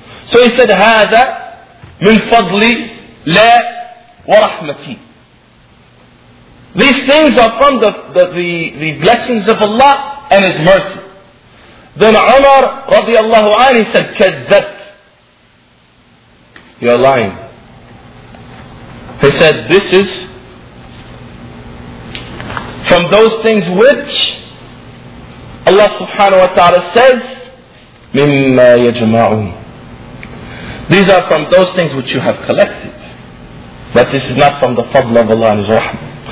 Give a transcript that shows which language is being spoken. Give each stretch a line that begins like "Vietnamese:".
English: So he said,
Arabic: هذا من فضل الله ورحمتي.
English: These things are from the blessings of Allah and His mercy. Then Umar
Arabic: رضي الله عنه
English: said,
Arabic: كذبت.
English: You're lying. He said, this is from those things which Allah subhanahu wa ta'ala says,
Arabic: مما يجمعون.
English: These are from those things which you have collected. But this is not from the fadl of Allah and His rahmah.